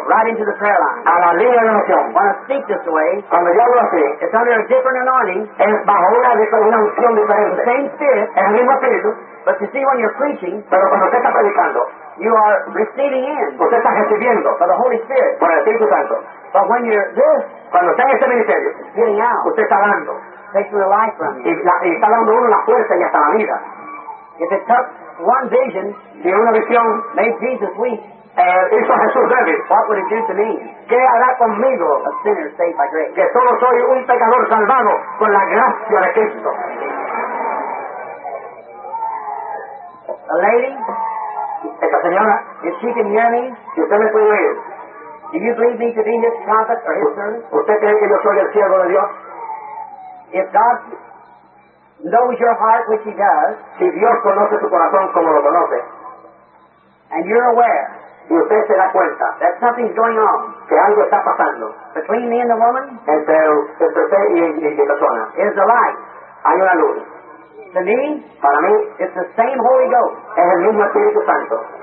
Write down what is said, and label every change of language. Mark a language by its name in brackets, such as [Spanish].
[English] Right into the prayer line. [Spanish] A la línea de oración. [English] When I speak this way, [Spanish] cuando yo hablo así, [English] it's under a different anointing. [Spanish] Es bajo una unción diferente. [English] The same spirit. [Spanish] El mismo espíritu. [English] But you see, when you're preaching, [Spanish] pero cuando usted está predicando, [English] you are receiving in. [Spanish] Usted está recibiendo. [English] For the Holy Spirit. [Spanish] Por el Espíritu Santo. [English] But when you're this, [Spanish] cuando está en este ministerio, [English] getting out, [Spanish] usted está dando. [English] Taking the life from you. [Spanish] Y está dando uno la fuerza y hasta la vida. [English] If it took one vision, [Spanish] si una visión [English] made Jesus weak, [Spanish] hizo Jesús débil, [English] what would it do to me? [Spanish] ¿Qué hará conmigo? [English] A sinner saved by grace. [Spanish] Que solo soy un pecador salvado con la gracia de Cristo. [English] A lady, [Spanish] esta señora, [English] if she can hear me, [Spanish] si usted me puede oír, [English] do you believe me to be his prophet or his servant? [Spanish] ¿Usted cree que yo soy el siervo de Dios? [English] If God knows your heart, which He does, [Spanish] si Dios conoce tu corazón como lo conoce, [English] and you're aware, [Spanish] y usted se da cuenta, [English] that something's going on, [Spanish] que algo está pasando, [English] between me and the woman, [Spanish] entre usted y la persona, [English] is the light, [Spanish] hay una luz. [English] To me, [Spanish] para mí, [English] it's the same Holy Ghost, [Spanish] es el mismo Espíritu Santo,